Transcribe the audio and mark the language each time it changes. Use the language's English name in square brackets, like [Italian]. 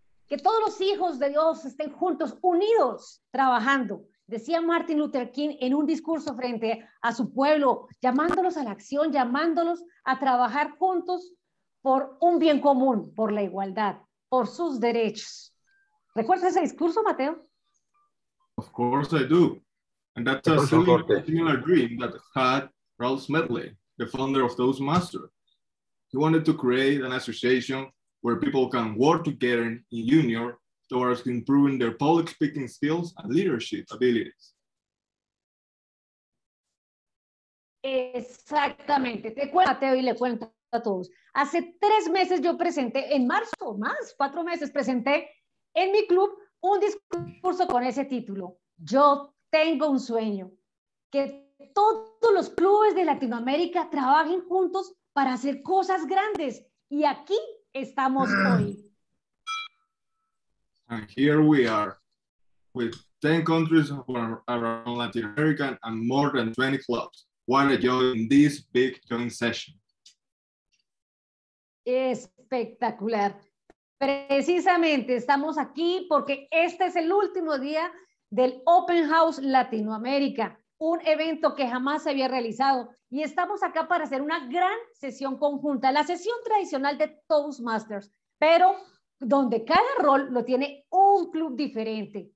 [Spanish] Que todos los hijos de Dios estén juntos, unidos, trabajando. Decía Martin Luther King en un discurso frente a su pueblo, llamándolos a la acción, llamándolos a trabajar juntos por un bien común, por la igualdad, por sus derechos. ¿Recuerdas ese discurso, Mateo? [English] Of course I do. And that's a similar dream that had Ralph Smedley, the founder of Toastmasters. He wanted to create an association where people can work together in union towards improving their public speaking skills and leadership abilities. [Spanish] Exactamente. Te cuento, Mateo, y le cuento a todos. Hace 3 meses yo presenté, en marzo, más 4 meses, presenté en mi club un discurso con ese título. Yo tengo un sueño. Que todos los clubes de Latinoamérica trabajen juntos para hacer cosas grandes. Y aquí estamos hoy. [English] And here we are. with 10 countries around Latin America and more than 20 clubs. What a joy in this big joint session. [Spanish] Espectacular. Precisamente estamos aquí porque este es el último día del Open House Latinoamérica, un evento que jamás se había realizado. Y estamos acá para hacer una gran sesión conjunta, la sesión tradicional de Toastmasters, pero donde cada rol lo tiene un club diferente.